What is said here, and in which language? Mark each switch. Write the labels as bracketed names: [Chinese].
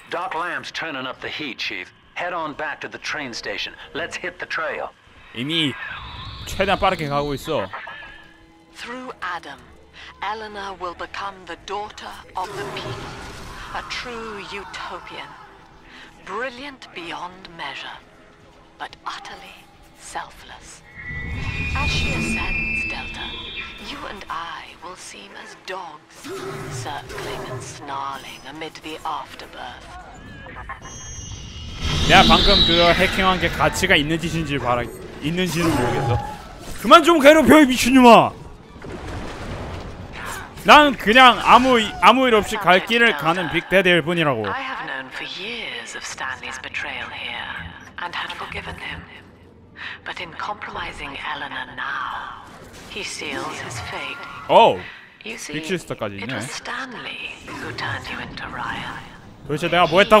[English] Doc Lamb's turning up the heat, Chief. Head on back to the train station. Let's hit the trail. [Korean] 이미 최대한 빠르게 가고 있어. [English] Through Adam, Eleanor will become the daughter of the people. A true utopian. Brilliant beyond measure, but utterly selfless. As she ascends, Delta, you and I will seem as dogs, circling and snarling amid the afterbirth. [Korean] 야, 방금 그 해킹한 게 가치가 있는 짓인지 봐라. 있는지는 모르겠어. 그만 좀 괴롭혀, 이 미친놈아! 난 그냥 아무 일 없이 갈 길을 가는 빅데디일 뿐이라고. [English] I have known for years of Stanley's betrayal here, and had forgiven him. But in compromising Eleanor now, he seals his fate. Oh, you see, it was Stanley who turned you into Ryan. [Korean] 도대체 내가 뭐 했다고?